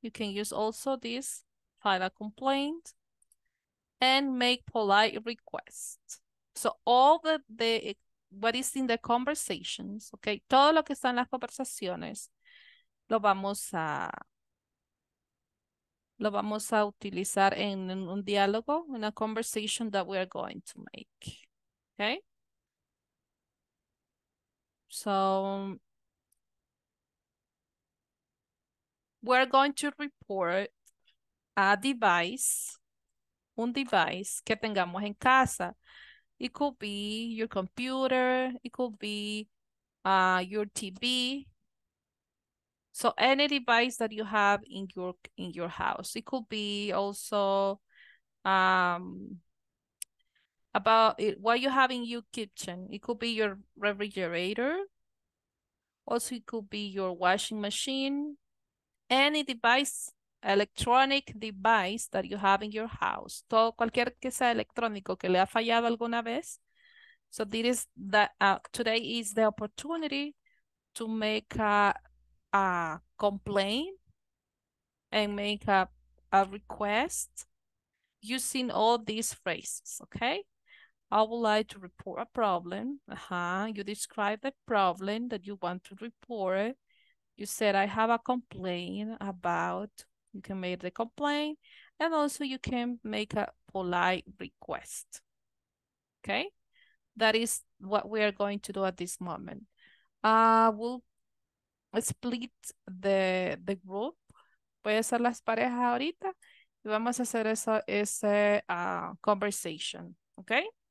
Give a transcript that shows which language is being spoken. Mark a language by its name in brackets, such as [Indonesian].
[English] You can use also this, file a complaint. And make polite requests. So all the what is in the conversations, okay? [Spanish] Todo lo que está en las conversaciones lo vamos a... lo vamos a utilizar en un diálogo, [English] in a conversation that we are going to make. Okay? So, we're going to report a device, [Spanish] un device que tengamos en casa. [English] It could be your computer, it could be your TV. So any device that you have in your house, it could be also about it, what you have in your kitchen. It could be your refrigerator. Also, it could be your washing machine. Any device, electronic device that you have in your house. [Spanish] Todo, cualquier que sea electrónico que le ha fallado alguna vez. [English] So this is that today is the opportunity to make a complaint and make a request using all these phrases, okay? I would like to report a problem. You describe the problem that you want to report. You said, I have a complaint about, you can make the complaint, and also you can make a polite request, okay? That is what we are going to do at this moment. We'll split the group. [Spanish] Voy a hacer las parejas ahorita y vamos a hacer conversation, okay?